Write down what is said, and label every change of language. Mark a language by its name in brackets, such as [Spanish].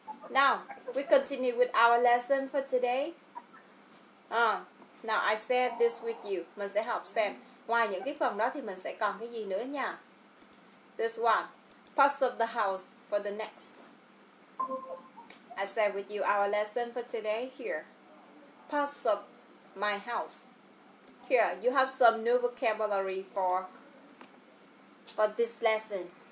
[English] Now, we continue with our lesson for today. Now I share this with you. [Vietnamese] Mình sẽ học xem ngoài những cái phần đó thì mình sẽ còn cái gì nữa nha. [English] This one, parts of the house for the next. I share with you our lesson for today here. Parts of my house. Here, you have some new vocabulary for this lesson.